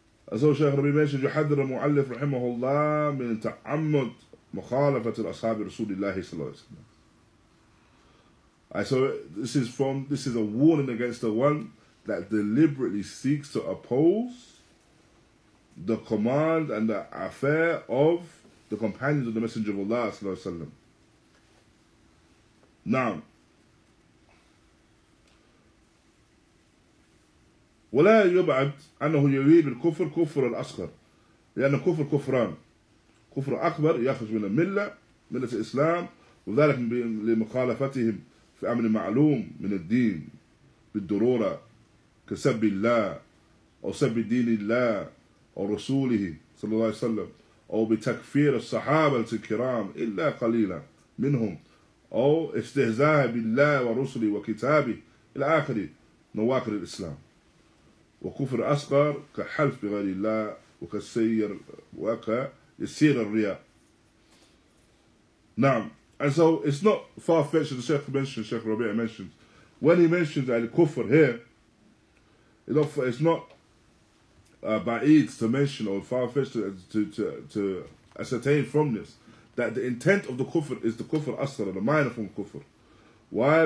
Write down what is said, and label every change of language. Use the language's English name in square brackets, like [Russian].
[English] And so Shaykh Rabbi mentioned, [Arabic] يُحَذِّرُ الْمُعَلِّفُ رَحِمَهُ اللَّهِ مِنْ تَعَمُّدْ مُخَالَفَةِ الْأَصْحَابِ رَسُولِ اللَّهِ صَلَّى اللَّهِ عَلَيْهِ وَسَلَّمَ. [English] So this is from, this is a warning against the one that deliberately seeks to oppose the command and the affair of the companions of the Messenger of Allah sallallahu alaihi wasallam. [Arabic] Now, ولا يبعد أنه يري بالكفر كفر الأصغر لأن كفر كفران كفر أكبر يخرج من الملة ملة الإسلام وذلك لمخالفتهم في أمر معلوم من الدين بالضرورة كسب الله أو سب دين الله أو رسوله صلى الله عليه وسلم أو بتكفير الصحابة الكرام إلا قليلا منهم أو استهزاء بالله ورسله وكتابه إلى آخر نواقر الإسلام وكفر أصغر كحلف بغير الله وكسير وكيسير الرياء. نعم. [English] And so it's not far-fetched, the Sheikh mentioned, Sheikh Rabi'ah mentioned, when he mentions that al-kufr here, it's not Ba'id to mention or far-fetched to ascertain from this that the intent of the kufr is the kufr asr, the minor form of kufr. Why?